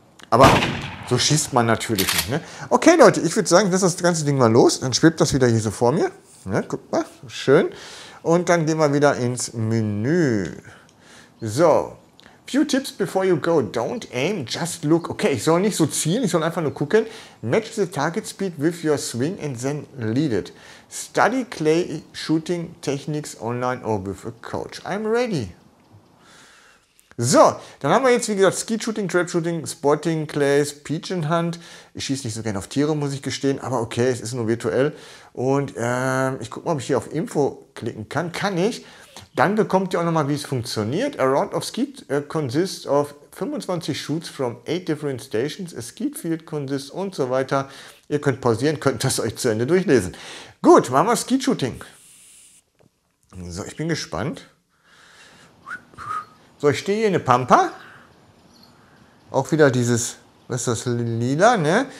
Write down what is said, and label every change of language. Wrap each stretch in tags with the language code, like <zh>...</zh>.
<de>Aber so schießt man natürlich nicht, ne? Okay, Leute, ich würde sagen, ich lasse das ganze Ding mal los. Dann schwebt das wieder hier so vor mir. Ne? Guck mal, schön. Und dann gehen wir wieder ins Menü. So,</de> <en>Few tips before you go. Don't aim, just look.</en> <de>Okay, ich soll nicht so zielen, ich soll einfach nur gucken.</de> <en>Match the target speed with your swing and then lead it. Study clay shooting techniques online or with a coach. I'm ready.</en> <de>So, dann haben wir jetzt, wie gesagt, Skeet Shooting, Trap Shooting, Spotting Clays, Pigeon Hunt. Ich schieße nicht so gerne auf Tiere, muss ich gestehen, aber okay, es ist nur virtuell. Und ich gucke mal, ob ich hier auf Info klicken kann. Kann ich. Dann bekommt ihr auch nochmal, wie es funktioniert.</de> <en>A round of Skeet consists of 25 Shoots from 8 different stations. A Skeet Field consists</en> <de>und so weiter. Ihr könnt pausieren, könnt das euch zu Ende durchlesen. Gut, machen wir Skeet Shooting. So, ich bin gespannt. So, ich stehe hier in der Pampa. Auch wieder dieses, was ist das, lila, ne?</de>